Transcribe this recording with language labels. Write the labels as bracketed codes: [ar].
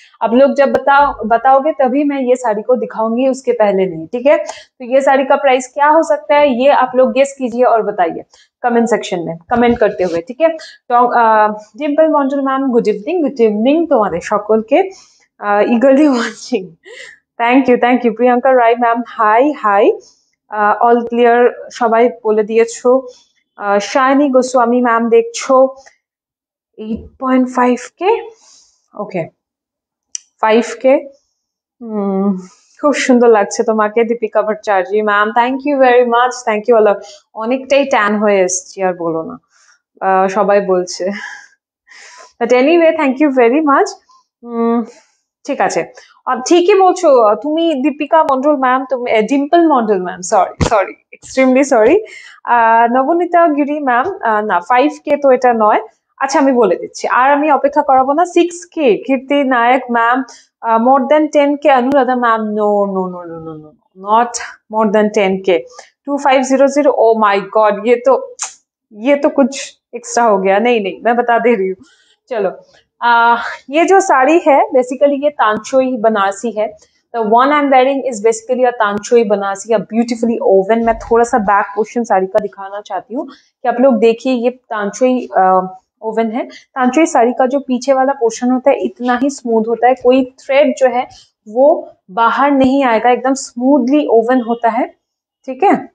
[hi] आप लोग जब बताओगे तभी मैं ये साड़ी को दिखाऊंगी, उसके पहले नहीं, ठीक है। तो ये साड़ी का प्राइस क्या हो सकता है ये आप लोग गेस कीजिए और बताइए कमेंट सेक्शन में कमेंट करते हुए, ठीक है। तो डिम्पल मॉन्टल मैम गुड इवनिंग तुम्हारे सकल के eagerly watching, thank you. [bn] Priyanka Rai ma'am high, all clear সবাই বলে দিয়েছ। শায়নি গোস্বামী ম্যাম দেখছ 8.5K, ওকে 5K, খুব সুন্দর লাগছে তোমাকে। Deepika Bhattacharya ma'am thank you very much, thank you all. অনেকটাই ট্যান হয়ে এসছি আর বলো না, সবাই বলছে, but anyway thank you very much. ঠিক আছে, ঠিকই বলছো তুমি দীপিকা মন্ডল ম্যাম, তুমি Dimple Mondal ma'am, sorry extremely sorry. Nabanita গিরি ম্যাম না 5K তো এটা নয়, আচ্ছা আমি বলে দিচ্ছি আর আমি অপেক্ষা করাবো না। 6K Kirti Naik ma'am, more then 10K Anuradha ma'am, no not more then 10K, 2500, O my god, [hi] ইয়ে তো কুছ এক্সট্রা হো গিয়া, নেই মানে বাতা দে রহি হুঁ। [bn] চলো [hi] ये जो साड़ी है बेसिकली ये तांचोई बनारसी है। [en] The one I am wearing is basically a Tanchoi Banarasi, a beautifully woven. [hi] मैं थोड़ा सा बैक पोर्शन साड़ी का दिखाना चाहती हूँ कि आप लोग देखिए, ये तांचोई ओवन है। तांचोई साड़ी का जो पीछे वाला पोर्शन होता है इतना ही स्मूथ होता है, कोई थ्रेड जो है वो बाहर नहीं आएगा, एकदम स्मूथली ओवन होता है, ठीक है।